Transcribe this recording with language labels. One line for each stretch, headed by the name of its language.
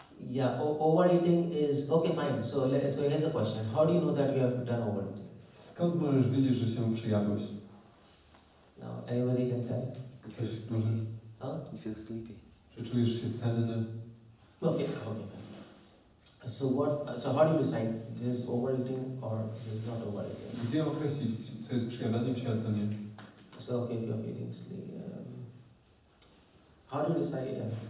English: Yeah, overeating is okay, fine. So here's a question. How do you know that you have done overeating?
Polish: Skąd możesz wiedzieć, że się przyjadłeś?
English: No, anybody can tell.
Polish: Ktoś może. Huh?
English: You feel sleepy.
Polish: Czy czujesz się senny?
English: Okay, fine. So how do you decide? This is overeating or this is not overeating?
Polish: Gdzie określić, co jest przyjadaniem się, a co nie?
English: So okay, if you're feeling sleepy. How do you decide?